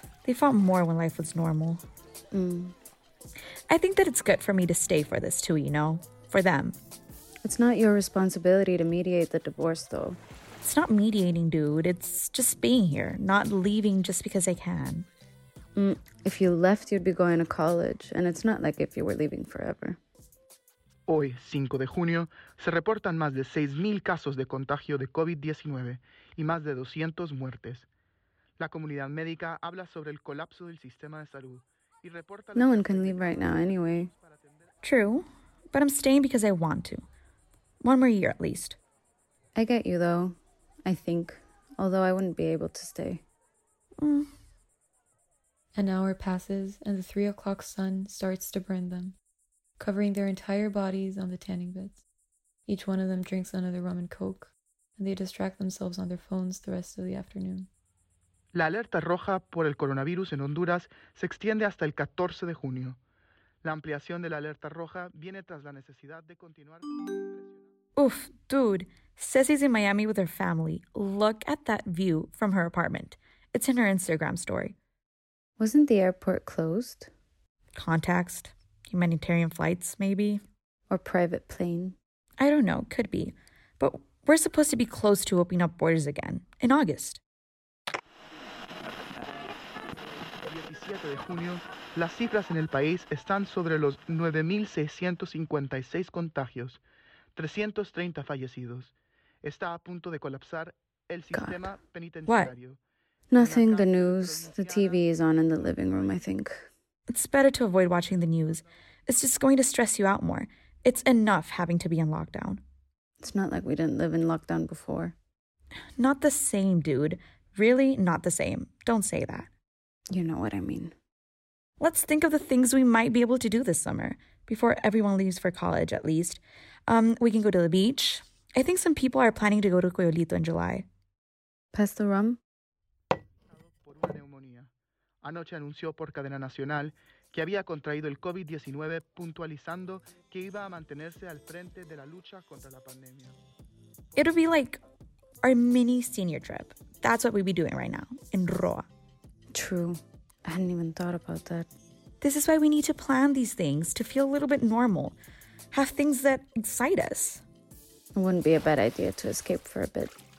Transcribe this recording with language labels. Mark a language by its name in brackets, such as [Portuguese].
[English] They fought more when life was normal. I think that it's good for me to stay for this too, you know? For them. It's not your responsibility to mediate the divorce, though. It's not mediating, dude. It's just being here, not leaving just because I can. If you left, you'd be going to college, and it's not like if you were leaving forever. [Spanish] Hoy, 5 de junio, se reportan más de 6,000 casos de contagio de COVID-19 y más de 200 muertes. La comunidad médica habla sobre el colapso del sistema de salud y reporta... [English] No one can leave right now, anyway. True, but I'm staying because I want to. One more year, at least. I get you, though. I think, although I wouldn't be able to stay. An hour passes, and the 3 o'clock sun starts to burn them, covering their entire bodies on the tanning beds. Each one of them drinks another rum and coke, and they distract themselves on their phones the rest of the afternoon. [Spanish] La alerta roja por el coronavirus en Honduras se extiende hasta el 14 de junio. La ampliación de la alerta roja viene tras la necesidad de continuar... [English] Oof, dude, Ceci's in Miami with her family. Look at that view from her apartment. It's in her Instagram story. Wasn't the airport closed? Contacts, humanitarian flights, maybe. Or private plane. I don't know, could be. But we're supposed to be close to opening up borders again, in August. [Spanish] 17 de junio, las cifras en el país están sobre los 9,656 contagios, 330 fallecidos. Está a punto de colapsar El sistema penitenciario. [English] Nothing. The news. The TV is on in the living room, I think. It's better to avoid watching the news. It's just going to stress you out more. It's enough having to be in lockdown. It's not like we didn't live in lockdown before. Not the same, dude. Really, not the same. Don't say that. You know what I mean. Let's think of the things we might be able to do this summer, before everyone leaves for college, at least. We can go to the beach. I think some people are planning to go to Coyolito in July. Pass the rum. [Spanish] ...por una neumonía. Anoche anunció por cadena nacional que había contraído el COVID-19, puntualizando que iba a mantenerse al frente de la lucha contra la pandemia. [English] It'll be like our mini senior trip. That's what we'd be doing right now, in Roa. True. I hadn't even thought about that. This is why we need to plan these things, to feel a little bit normal. Have things that excite us. It wouldn't be a bad idea to escape for a bit.